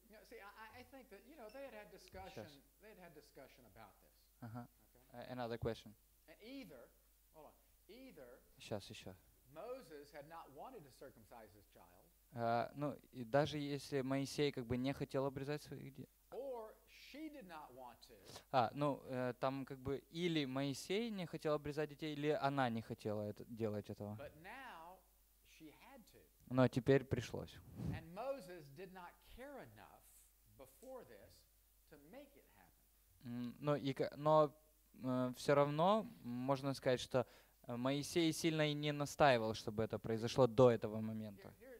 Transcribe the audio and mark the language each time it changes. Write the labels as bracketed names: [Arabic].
[English] See, I think that, you know, they had had discussion. [Russian] Сейчас. [English] They had had discussion about this. Uh-huh. Okay. Another question. And either, hold on. Either. [Russian] Сейчас еще. [English] Moses had not wanted to circumcise his child. [Russian] Ну, и даже если Моисей как бы не хотел обрезать своих детей. [English] Or she did not want to. [Russian] Там как бы или Моисей не хотел обрезать детей, или она не хотела это, делать этого. [English] But now she had to. [Russian] Но теперь пришлось. [English] And Moses did not care enough before this to make it happen. [Russian] Все равно можно сказать, что Моисей сильно и не настаивал, чтобы это произошло до этого момента.